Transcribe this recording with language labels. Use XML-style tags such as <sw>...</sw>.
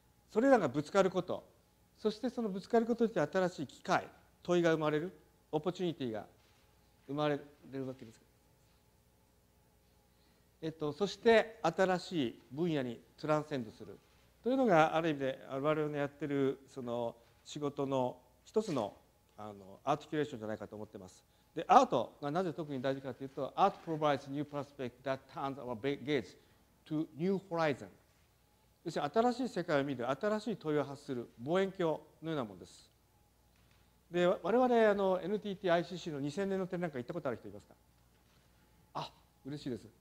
<ja>それらがぶつかること、そしてそのぶつかることで新しい機会、問いが生まれる、オポチュニティが生まれるわけです。そして新しい分野にトランセンドする。というのがある意味で我々のやっているその仕事の一つのアーティキュレーションじゃないかと思っています。で、アートがなぜ特に大事かというと、アート</ja> <en>provides new prospect that turns our gaze to new horizon。</en> <ja>要するに新しい世界を見る、新しい問いを発する望遠鏡のようなものです。で、我々NTT ICC の2000年の展覧会行ったことある人いますか？あ、嬉しいです。</ja>